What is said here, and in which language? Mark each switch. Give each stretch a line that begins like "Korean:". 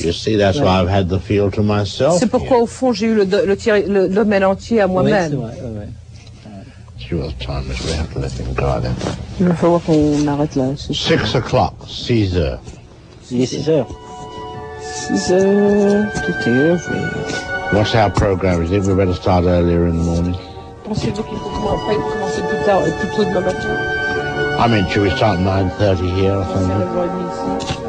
English: You see, that's why I've had the feel to myself.
French: C'est pourquoi, au fond, j'ai eu le domaine entier à moi-même. Oui, c'est vrai.
English: Your time is we have to let him go, then.
French: Il va falloir qu'on arrête là.
English: 6 o'clock, Caesar.
French: Il est 6 heures.
English: Caesar, what's our program? Is it we better start earlier in the morning?
French: Pensez-vous qu'il faut commencer plus tôt demain matin?
English: I mean, should we start 9:30 here or something?